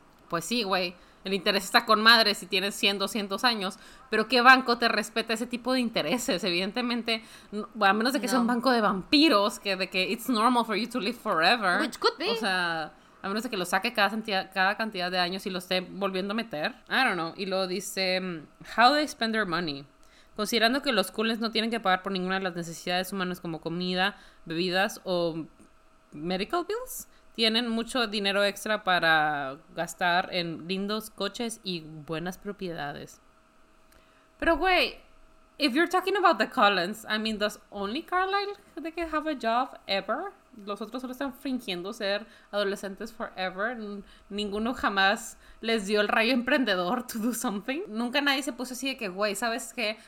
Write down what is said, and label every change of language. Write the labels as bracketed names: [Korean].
[Spanish] Pues sí, güey, el interés está con madre si tienes 100, 200 años, pero ¿qué banco te respeta ese tipo de intereses? Evidentemente, a menos de que sea un banco de vampiros, que [English] it's normal for you to live forever. Which could be. [Spanish] O sea, a menos de que lo saque cada cantidad de años y lo esté volviendo a meter. [English] I don't know. [Spanish] Y luego dice, [English] how they spend their money. [Spanish] Considerando que los coolens no tienen que pagar por ninguna de las necesidades humanas como comida, bebidas o [English] medical bills, [Spanish] tienen mucho dinero extra para gastar en lindos coches y buenas propiedades. Pero güey, [English] if you're talking about the Collins, I mean, does only Carlyle they can have a job ever? [Spanish] Los otros solo están fingiendo ser adolescentes [English] forever. [Spanish] Ninguno jamás les dio el rayo emprendedor [English] to do something. [Spanish] Nunca nadie se puso así de que, güey, ¿sabes qué?